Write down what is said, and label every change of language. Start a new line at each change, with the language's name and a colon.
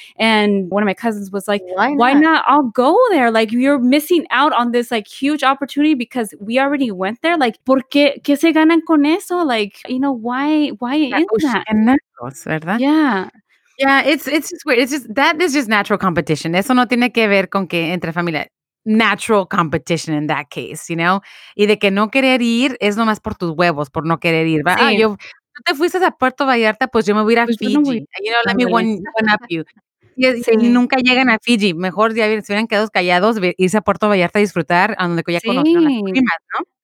English: And one of my cousins was like, why not? I'll go there. Like, you're missing out on this like huge opportunity because we already went there. Like,
Spanish: ¿por qué? ¿Qué se ganan con eso?
English: Like, you know, why is that?
Spanish: ¿Verdad?
English: Yeah. Yeah, it's just weird. It's just, that is just natural competition.
Spanish: Eso no tiene que ver con que entre familia.
English: Natural competition in that case, you know?
Spanish: Y de que no querer ir es nomás por tus huevos, por no querer ir. Sí. Tú te fuiste a Puerto Vallarta, pues yo me voy a ir a Fiji. No voy,
English: you know, let me one up you.
Spanish: Sí. Y nunca llegan a Fiji, mejor ya se hubieran quedado callados, irse a Puerto Vallarta a disfrutar, a donde ya conocieron a las primas, ¿no?